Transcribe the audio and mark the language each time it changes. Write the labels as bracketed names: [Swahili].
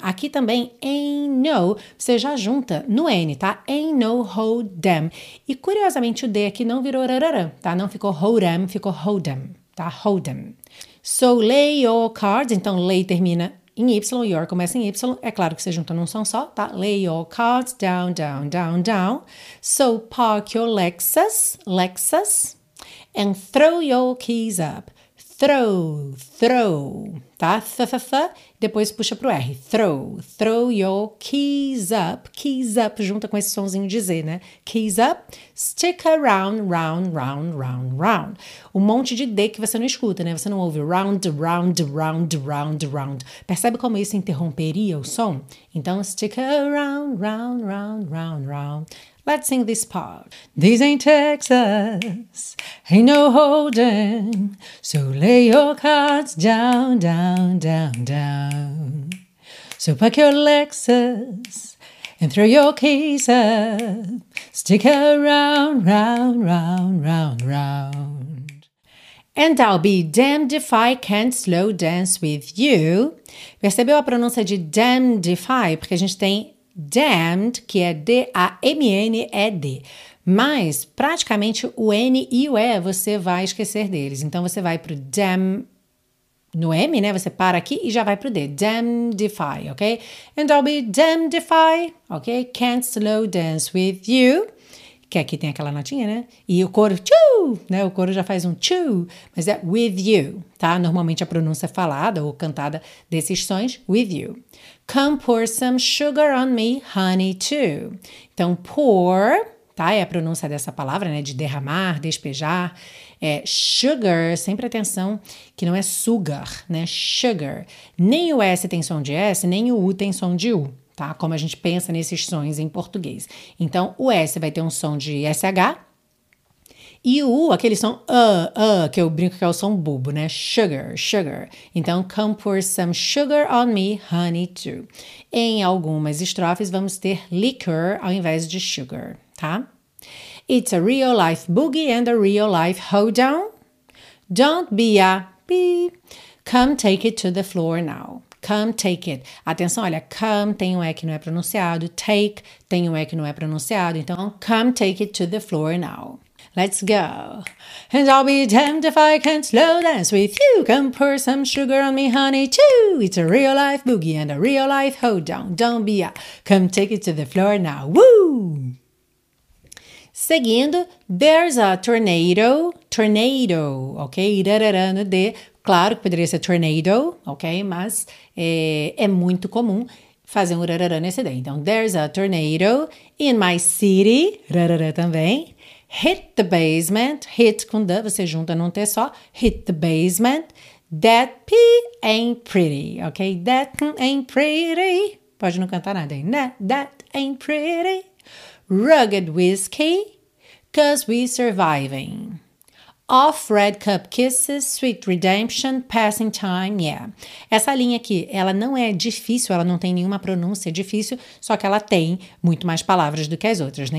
[Portuguese] Aqui também [English] ain't no, [Portuguese] você já junta no N, tá? Ain't no hold'em. E curiosamente o D aqui não virou rararã, tá? Não ficou hold'em, ficou hold'em, tá? Hold'em. So lay your cards, então lay termina em Y, your começa em Y, é claro que você junta num som só, tá? [English] Lay your cards down, down, down, down. So park your Lexus, Lexus, and throw your keys up. [Portuguese] Throw, throw, tá? Th-th-th-th, depois puxa pro R. [English] Throw, throw your keys up, [Portuguese] junta com esse sonzinho de Z, né? [English] Keys up, stick around, round, round, round, round. [Portuguese] Um monte de D que você não escuta, né? Você não ouve [English] round, round, round, round, round. [Portuguese] Percebe como isso interromperia o som? [English] Então, stick around, round, round, round, round. Let's sing this part. This ain't Texas, ain't no holding, so lay your cards down, down, down, down. So pack your Lexus and throw your keys up. Stick around, round, round, round, round. And I'll be damned if I can't slow dance with you. [Portuguese] Percebeu a pronúncia de damned if I? Porque a gente tem damned, que é D-A-M-N-E-D. Mas, praticamente, o N e o E, você vai esquecer deles. Então, você vai pro dam no M, né? Você para aqui e já vai pro D. [English] Damned if I, ok? And I'll be damned if I, ok? Can't slow dance with you. [Portuguese] Que aqui tem aquela notinha, né? E o coro, tchoo, né? O coro já faz um tchoo, mas é with you, tá? Normalmente a pronúncia falada ou cantada desses sons, with you. [English] Come pour some sugar on me, honey, too. [Portuguese] Então, pour, tá? É a pronúncia dessa palavra, né? De derramar, despejar. É sugar, sempre atenção que não é sugar, né? Sugar. Nem o S tem som de S, nem o U tem som de U. Tá? Como a gente pensa nesses sons em português. Então, o S vai ter um som de SH. E o U, aquele som que eu brinco que é o som bobo, né? Sugar, sugar. [English] Então, come pour some sugar on me, honey, too. [Portuguese] Em algumas estrofes, vamos ter liquor ao invés de sugar, tá? [English] It's a real life boogie and a real life hoedown. Don't be a bee. Come take it to the floor now. Come, take it. [Portuguese] Atenção, olha, come tem um E que não é pronunciado. Take tem um E que não é pronunciado. Então, [English] come, take it to the floor now. Let's go. And I'll be damned if I can't slow dance with you. Come pour some sugar on me, honey, too. It's a real life boogie and a real life hoedown. Don't be a... Come, take it to the floor now. Woo! [Portuguese] Seguindo, [English] there's a tornado. [Portuguese] Tornado, ok? Irarara no D. Claro que poderia ser tornado, ok? Mas é muito comum fazer um rarará nesse daí. [English] Então, there's a tornado in my city, rarará também. Hit the basement, [Portuguese] hit com D, você junta num T só. [English] Hit the basement, that P ain't pretty, ok? That ain't pretty, [Portuguese] pode não cantar nada aí, né? [English] That ain't pretty. Rugged whiskey, cause we surviving. Off red cup kisses, sweet redemption, passing time, yeah. [Portuguese] Essa linha aqui, ela não é difícil, ela não tem nenhuma pronúncia difícil, só que ela tem muito mais palavras do que as outras, né?